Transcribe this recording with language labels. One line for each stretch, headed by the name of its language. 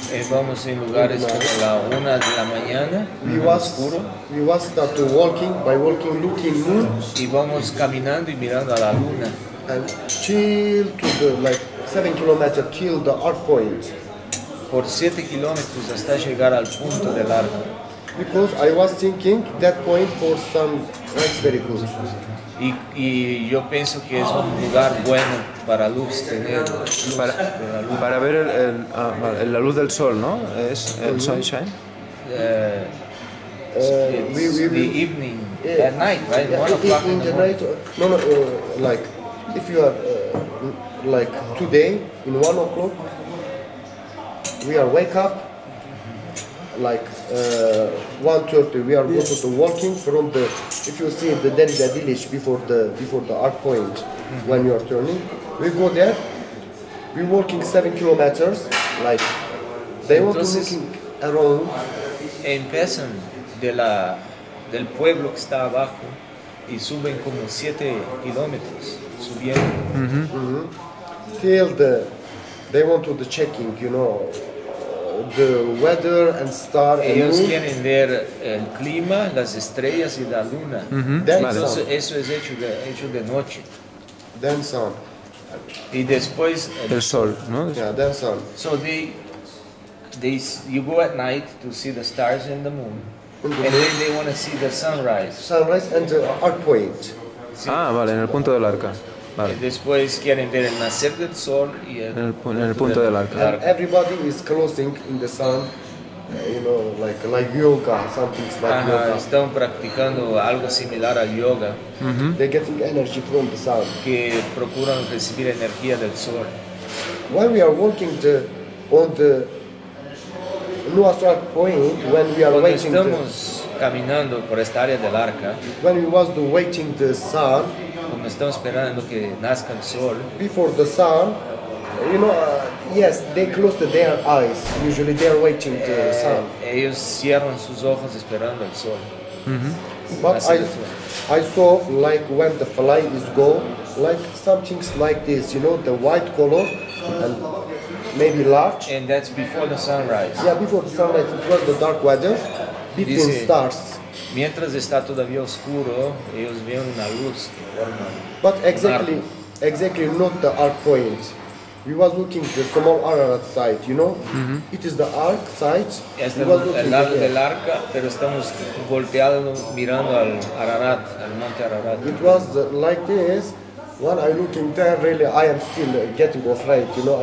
Spanish: Vamos en lugares como la 1 de la mañana, oscuro.
English: We was start to walking, by walking, looking moon.
Spanish: Y vamos caminando y mirando a la luna.
English: And chill to the, like, 7 kilometers till the arc point.
Spanish: Por 7 kilómetros hasta llegar al punto del arco.
English: Because I was thinking that point for some lights very good.
Spanish: Y yo pienso que es un lugar bueno para luz tener para ver la luz del sol, ¿no? Es el sunshine.
English: The evening, at night, right? 1 o'clock in the night. Like if you are like today in 1 o'clock, we are wake up like 1:30. We are going to walking from the. If you see the Derida village before the arc point, when you are turning, we go there. We walking 7 kilometers. Like they want to walking around. Empiezan del pueblo que está abajo y suben como 7 kilómetros subiendo. Till the they want to the checking, you know. The weather and star
Spanish: ellos
English: and moon.
Spanish: Quieren ver el clima, las estrellas y la luna. Eso es hecho de noche.
English: Then sun.
Spanish: Y después el sol, ¿no?
English: Yeah, then sun. So you go at night to see the stars and the moon. And then they want to see the sunrise. Sunrise and the arc point.
Spanish: Sí. Ah, vale, en el punto del arca. Vale. Y después quieren ver el nacer del sol y en el punto del arco.
English: Everybody is closing in the sun, you know, like yoga, something like ajá, yoga.
Spanish: Están practicando algo similar al yoga.
English: They're getting energy from the sun.
Spanish: Que procuran recibir energía del sol.
English: While we are walking on the nuestra point, when we are
Spanish: cuando
English: waiting
Spanish: estamos
English: the,
Spanish: caminando por esta área del arca,
English: when we was the waiting the sun,
Spanish: cuando estamos esperando que nazca el sol,
English: before the sun, you know, yes, they close their eyes. Usually they are waiting the sun.
Spanish: Ellos cierran sus ojos esperando el sol.
English: But I saw like when the fly is go, like something like this, you know, the white color. And maybe large. And that's before the sunrise. Yeah, before the sunrise, it was the dark weather, between
Spanish: dice,
English: stars.
Spanish: Mientras está todavía oscuro, ellos ven una luz.
English: But exactly not the arc point. We was looking the small Ararat site, you know? Mm-hmm. It is the Ark site.
Spanish: Este es el lado del Arca, pero estamos volteando mirando al Ararat, al Monte Ararat.
English: It was like this. When I looking there, really, I am still getting afraid, you know?